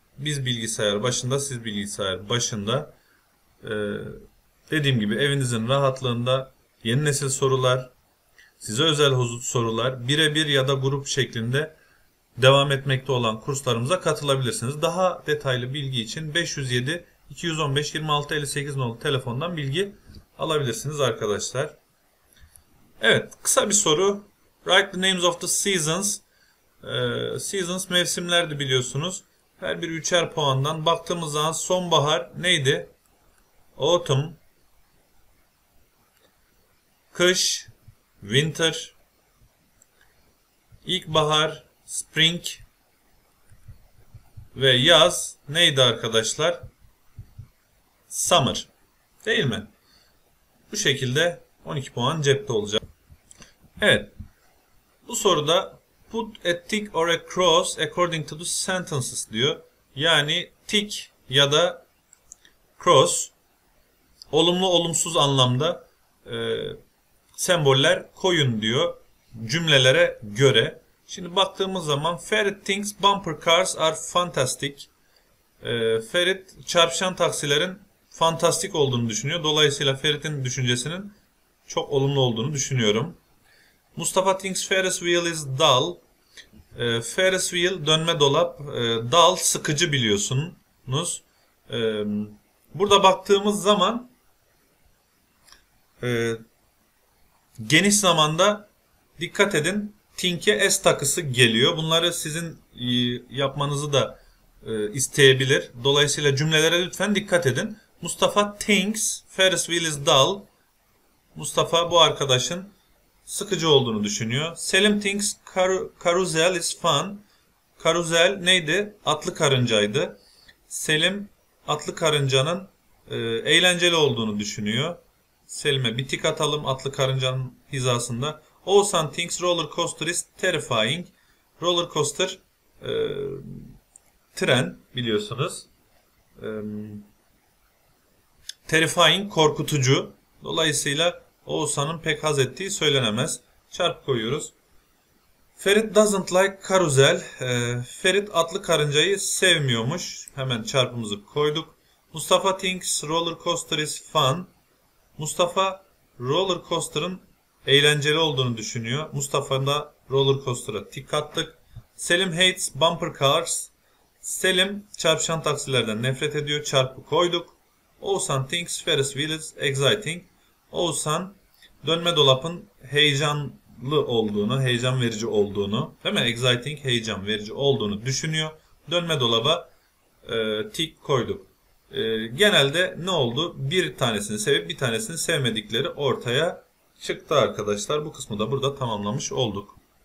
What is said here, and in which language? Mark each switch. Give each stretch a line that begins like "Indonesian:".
Turkish: Biz bilgisayar başında, siz bilgisayar başında. Dediğim gibi evinizin rahatlığında yeni nesil sorular, size özel huzur sorular, birebir ya da grup şeklinde devam etmekte olan kurslarımıza katılabilirsiniz. Daha detaylı bilgi için 507 215 26 58 nolu telefondan bilgi alabilirsiniz arkadaşlar. Evet, kısa bir soru.
English: Write the names of the seasons.
Turkish: Seasons mevsimlerdi biliyorsunuz. Her bir üçer puandan. Baktığımız zaman sonbahar neydi? Autumn, kış, winter, ilkbahar, spring ve yaz neydi arkadaşlar? Summer, değil mi? Bu şekilde 12 puan cepte olacak. Evet. Bu soruda
English: put a tick or a cross according to the sentences diyor.
Turkish: Yani tick ya da cross, olumlu olumsuz anlamda semboller koyun diyor cümlelere göre. Şimdi baktığımız zaman
English: Ferit thinks bumper cars are fantastic.
Turkish: Ferit çarpışan taksilerin fantastik olduğunu düşünüyor. Dolayısıyla Ferit'in düşüncesinin çok olumlu olduğunu düşünüyorum.
English: Mustafa thinks Ferris wheel is dull.
Turkish: Ferris wheel dönme dolap. Dull sıkıcı biliyorsunuz. Burada baktığımız zaman geniş zamanda dikkat edin. Think'e S takısı geliyor. Bunları sizin yapmanızı da isteyebilir. Dolayısıyla cümlelere lütfen dikkat edin.
English: Mustafa thinks Ferris wheel is dull.
Turkish: Mustafa bu arkadaşın sıkıcı olduğunu düşünüyor.
English: Selim thinks carousel is fun.
Turkish: Carousel neydi? Atlı karıncaydı. Selim atlı karıncanın eğlenceli olduğunu düşünüyor. Selim'e bir tik atalım atlı karıncanın hizasında.
English: Oğuzhan thinks roller coaster is terrifying.
Turkish: Roller coaster tren biliyorsunuz. Terrifying korkutucu. Dolayısıyla Oğuzhan'ın pek haz ettiği söylenemez. Çarpı koyuyoruz.
English: Ferit doesn't like carousel.
Turkish: Ferit atlı karıncayı sevmiyormuş. Hemen çarpımızı koyduk.
English: Mustafa thinks roller coaster is fun. Mustafa roller coaster'ın
Turkish: eğlenceli olduğunu düşünüyor. Mustafa'nın da roller coaster'a tik attık.
English: Selim hates bumper cars.
Turkish: Selim çarpışan taksilerden nefret ediyor. Çarpı koyduk.
English: Oğuzhan thinks Ferris wheel is exciting.
Turkish: Oğuzhan dönme dolapın heyecanlı olduğunu, heyecan verici olduğunu, değil mi? Exciting, heyecan verici olduğunu düşünüyor. Dönme dolaba tik koyduk. Genelde ne oldu? Bir tanesini sevip bir tanesini sevmedikleri ortaya çıktı arkadaşlar. Bu kısmı da burada tamamlamış olduk.